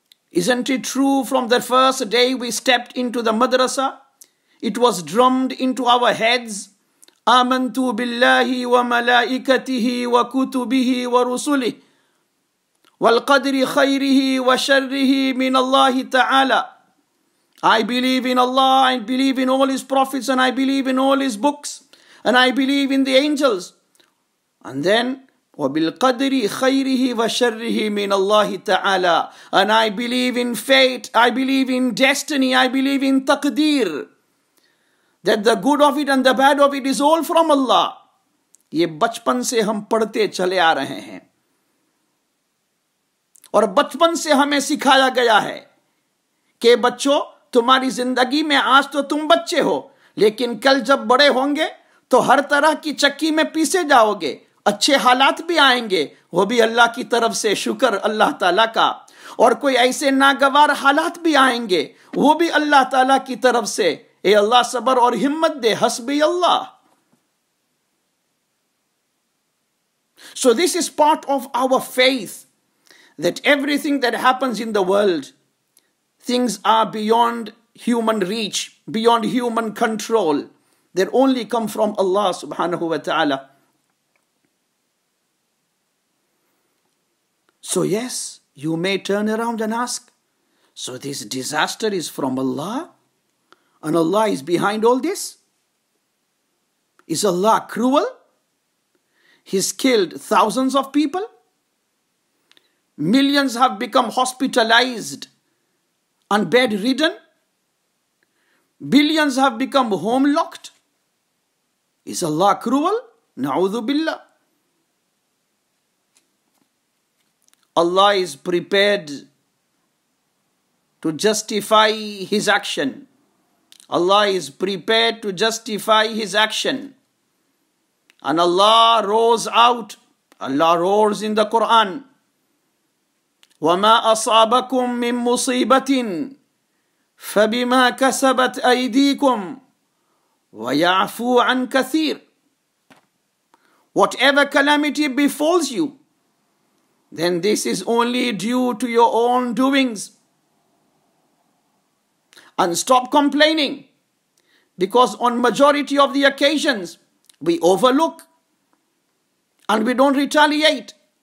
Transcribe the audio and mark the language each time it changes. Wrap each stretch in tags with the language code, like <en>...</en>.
<en>Isn't it true from the first day we stepped into the madrasa, it was drummed into our heads,</en> <ar>آمنت بالله وملائكته وكتبه ورسله والقدر خيره وشره من الله تعالى.</ar> <en>I believe in Allah, I believe in all His prophets, and I believe in all His books, and I believe in the angels. And then,</en> <ar>وبالقدر خيره وشره من الله تعالى.</ar> <en>And I believe in fate, I believe in destiny, I believe in taqdeer, that the good of it and the bad of it is all from Allah.</en> <hi>ये बचपन से हम पढ़ते चले आ रहे हैं और बचपन से हमें सिखाया गया है कि बच्चों, तुम्हारी जिंदगी में आज तो तुम बच्चे हो, लेकिन कल जब बड़े होंगे तो हर तरह की चक्की में पीसे जाओगे, अच्छे हालात भी आएंगे, वो भी अल्लाह की तरफ से, शुक्र अल्लाह ताला का, और कोई ऐसे नागवार हालात भी आएंगे, वो भी अल्लाह ताला की तरफ से, ए अल्लाह सबर और हिम्मत दे, हस्बी अल्लाह.</hi> <en>So this is part of our faith that everything that happens in the world, things are beyond human reach, beyond human control. They only come from Allah subhanahu wa ta'ala. So yes, you may turn around and ask, so this disaster is from Allah? And Allah is behind all this? Is Allah cruel? He's killed thousands of people? Millions have become hospitalized and bedridden? Billions have become home locked? Is Allah cruel? Na'udhu billah. Allah is prepared to justify His action. Allah is prepared to justify His action. And Allah roars out, Allah roars in the Quran,</en> <ar>وَمَا أَصَابَكُم مِّن مُّصِيبَةٍ فَبِمَا كَسَبَتْ أَيْدِيكُمْ وَيَعْفُو عَن كَثِيرٍ.</ar> <en>Whatever calamity befalls you, then this is only due to your own doings. And stop complaining, because on majority of the occasions, we overlook and we don't retaliate.</en>